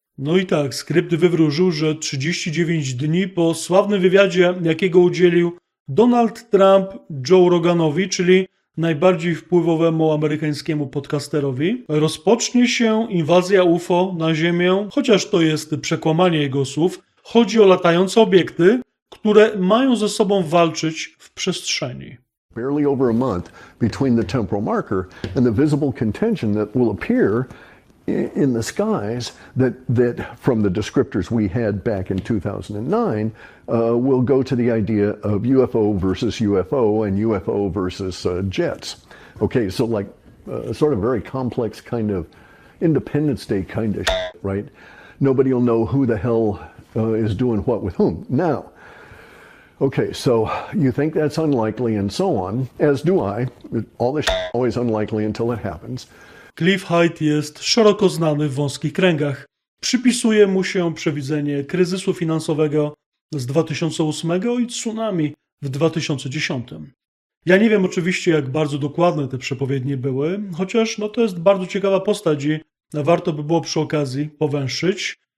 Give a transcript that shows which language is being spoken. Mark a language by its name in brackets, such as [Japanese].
[Polish] No i tak, skrypt wywróżył, że 39 dni po sławnym wywiadzie, jakiego udzielił Donald Trump Joe Roganowi, czyli najbardziej wpływowemu amerykańskiemu podcasterowi, rozpocznie się inwazja UFO na Ziemię, chociaż to jest przekłamanie jego słów. Chodzi o latające obiekty, które mają ze sobą walczyć w przestrzeni. [English] Barely over a month between the temporal marker and the visible contention that will appear in the skies that from the descriptors we had back in 2009 will go to the idea of UFO versus UFO and UFO versus jets. Okay, so like sort of very complex kind of Independence Day kind of shit, right? Nobody will know who the hell is doing what with whom. Now, Okay, so you think that's unlikely and so on, as do I. All this shit is always unlikely until it happens. [Polish] Cliff Hyde jest szeroko znany w wąskich kręgach. Przypisuje mu się przewidzenie kryzysu finansowego z 2008 i tsunami w 2010. Ja nie wiem oczywiście, jak bardzo dokładne te przepowiednie były, chociaż no to jest bardzo ciekawa postać i warto by było przy okazji powęszyć.